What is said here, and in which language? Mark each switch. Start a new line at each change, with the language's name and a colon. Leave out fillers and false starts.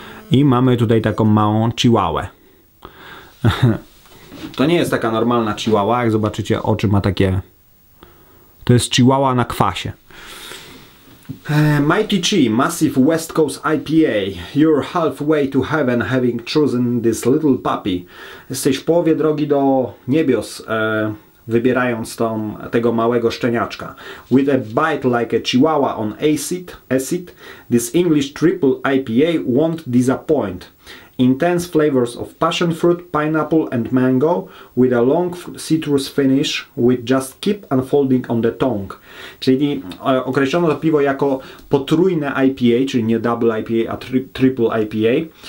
Polish: I mamy tutaj taką małą chihuahuę. To nie jest taka normalna chihuahua, jak zobaczycie, oczy ma takie... To jest chihuahua na kwasie.
English: Mighty Chi, Massive West Coast IPA. You're halfway to heaven having chosen this little puppy.
Polish: Jesteś w połowie drogi do niebios, wybierając tego małego szczeniaczka.
English: With a bite like a chihuahua on acid, this English triple IPA won't disappoint. Intense flavors of passion fruit, pineapple and mango with a long citrus finish which just keep unfolding on the tongue.
Polish: Czyli określono to piwo jako potrójne IPA, czyli nie double IPA, a triple IPA.